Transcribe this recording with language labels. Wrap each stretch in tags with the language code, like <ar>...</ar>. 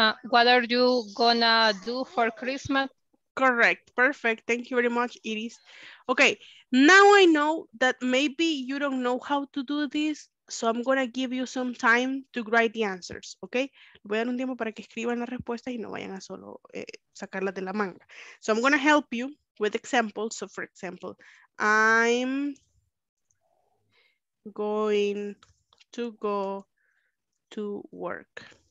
<en>What are you gonna do for Christmas? Correct, perfect, thank you very much, Iris. Okay, now I know that maybe you don't know how to do this, so I'm gonna give you some time to write the answers, okay?</en> <es>Voy a dar un tiempo para que escriban las respuestas y no vayan a solo sacarlas de la manga.</es> <en>So I'm gonna help you with examples. So for example, I'm going to go to work.</en>